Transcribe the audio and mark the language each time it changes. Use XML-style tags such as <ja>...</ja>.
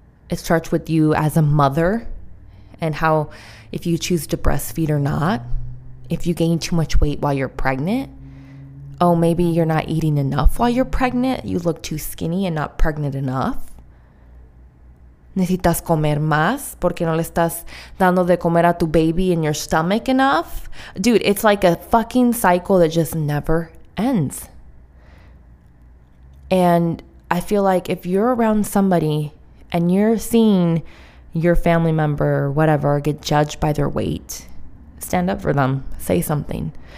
<en>It starts with you as a mother, and how, if you choose to breastfeed or not, if you gain too much weight while you're pregnant, oh, maybe you're not eating enough while you're pregnant. You look too skinny and not pregnant enough.</en> <es>Necesitas comer más porque no le estás dando de comer a tu</es> <en>baby in your stomach enough. Dude, it's like a fucking cycle that just never ends. And I feel like if you're around somebody and you're seeing your family member or whatever get judged by their weight, stand up for them. Say something.</en>